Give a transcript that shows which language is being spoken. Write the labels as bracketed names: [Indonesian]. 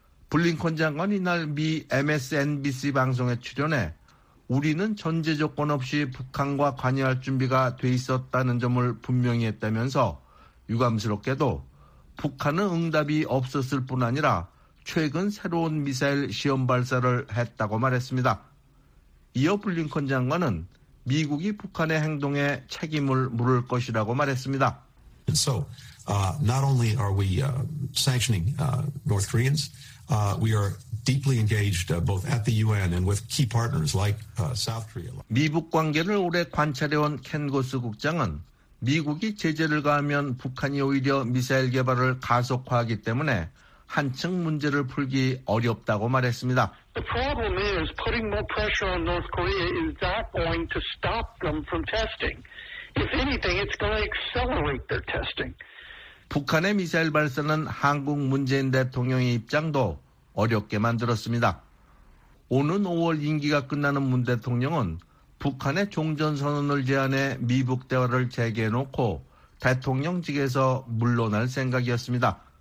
[Korean] 블링컨 장관 이날 미 MSNBC 방송에 출연해 우리는 전제 조건 없이 북한과 관여할 준비가 돼 있었다는 점을 분명히 했다면서 유감스럽게도 북한은 응답이 없었을 뿐 아니라 최근 새로운 미사일 시험 발사를 했다고 말했습니다. 이어 블링컨 장관은 미국이 북한의 행동에 책임을 물을 것이라고 말했습니다. [English] So, not only are we sanctioning North Koreans, we are deeply engaged both at the UN and with key partners like South Korea. [Korean] 미북 관계를 오래 관찰해온 켄 고스 국장은 미국이 제재를 가하면 북한이 오히려 미사일 개발을 가속화하기 때문에 한층 문제를 풀기 어렵다고 말했습니다. [English] The problem is putting more pressure on North Korea is not going to stop them from testing. If anything, it's going to accelerate their testing. [Korean] 북한의 미사일 발사는 한국 문재인 대통령의 입장도 어렵게 만들었습니다. 오는 5월 임기가 끝나는 문 대통령은 북한의 종전선언을 제안해 미북 대화를 재개해놓고 대통령직에서 물러날 생각이었습니다.